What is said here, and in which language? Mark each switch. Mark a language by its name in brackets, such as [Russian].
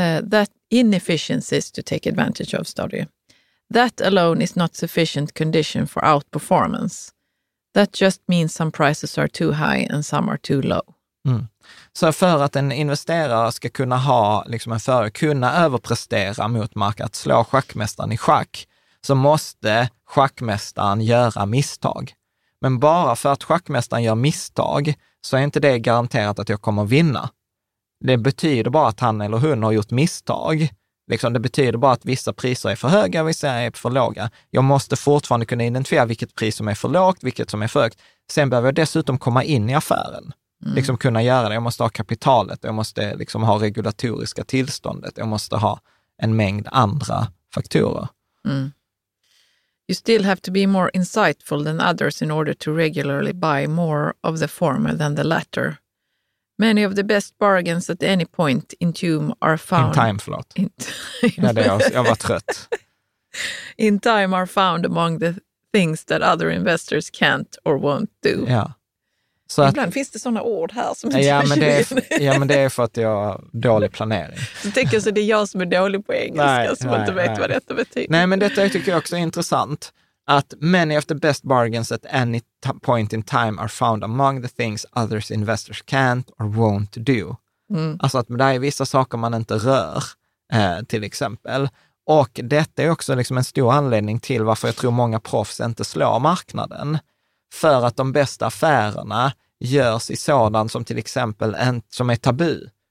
[English] That inefficiencies to take advantage of, [Swedish] står det. [English] That alone is not sufficient condition for outperformance. That just means some prices are too high and some are too low. Mm. [Swedish] Så för att en investerare ska kunna ha liksom en förare, kunna överprestera mot marknaden, slå schackmästaren i schack, så måste schackmästaren göra misstag. Men bara för att schackmästaren gör misstag så är inte det garanterat att jag kommer vinna. Det betyder bara att han eller hon har gjort misstag. Liksom, det betyder bara att vissa priser är för höga och vissa är för låga. Jag måste fortfarande kunna identifiera vilket pris som är för lågt, vilket som är för högt. Sen behöver jag dessutom komma in i affären. Mm. Liksom kunna göra det. Jag måste ha kapitalet, jag måste liksom ha regulatoriska tillståndet, jag måste ha en mängd andra faktorer. Mm. [English] You still have to be more insightful than others in order to regularly buy more of the former than the latter. Many of the best bargains at any point in time are found... In time, [Swedish] förlåt. [English] In time. [Swedish] Nej, det är, jag var trött. In time are found among the things that other investors can't or won't do. Ja. Så ibland att, finns det sådana ord här som ja, men det är, ja, men det är för att jag har dålig planering. Du tänker så det är jag som är dålig på engelska, nej, som nej, inte vet nej. Vad detta betyder. Nej, men detta tycker jag också är intressant. Att [English] many of the best bargains at any point in time are found among the things others investors can't or won't do. Mm. [Swedish] Alltså att det är vissa saker man inte rör, till exempel. Och detta är också liksom en stor anledning till varför jag tror många proffs inte slår marknaden. För att de bästa affärerna görs i sådant som till exempel en, som är tabu.